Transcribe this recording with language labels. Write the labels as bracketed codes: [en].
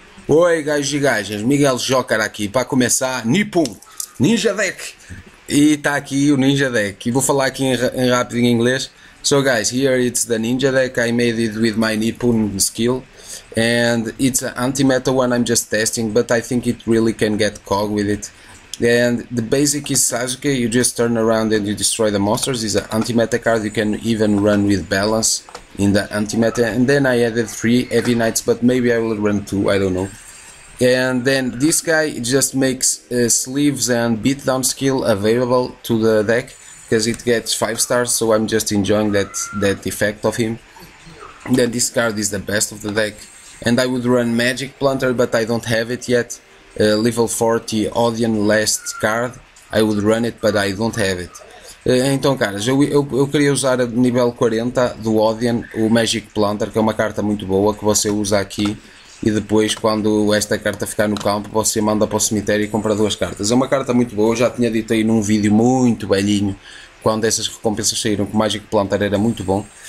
[pt] Oi, gajos e gajas, Miguel Jócar aqui, para começar, Nippon, Ninja Deck, e está aqui o Ninja Deck, e vou falar aqui em rápido em inglês. [en] So guys, here it's the Ninja Deck, I made it with my Nippon skill, and it's an anti-meta one I'm just testing, but I think it really can get cog with it. And the basic is Sasuke, you just turn around and you destroy the monsters. It's an anti-meta card, you can even run with balance in the anti-meta. And then I added 3 heavy knights, but maybe I will run 2, I don't know. And then this guy just makes sleeves and beatdown skill available to the deck, because it gets 5 stars, so I'm just enjoying that effect of him. Then this card is the best of the deck. And I would run Magic Planter, but I don't have it yet. Level 40 Odin last card, I would run it, but I don't have it. [pt] Então, caras, eu queria usar a nível 40 do Odin, o Magic Planter, que é uma carta muito boa que você usa aqui, e depois, quando esta carta ficar no campo, você manda para o cemitério e compra duas cartas. É uma carta muito boa, eu já tinha dito aí num vídeo muito velhinho, quando essas recompensas saíram, que o Magic Planter era muito bom.